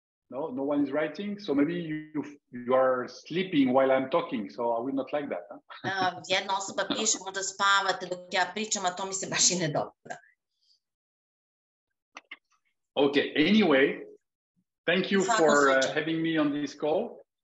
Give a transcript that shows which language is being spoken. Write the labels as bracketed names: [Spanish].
[English] No, no one is writing, so maybe you are sleeping while I'm talking, so I will not like that. [Serbian] Jedna osoba piše, možda spavate dok ja pričam, a to mi se baš i ne dopada. [English] Okay, anyway, thank you for having me on this call.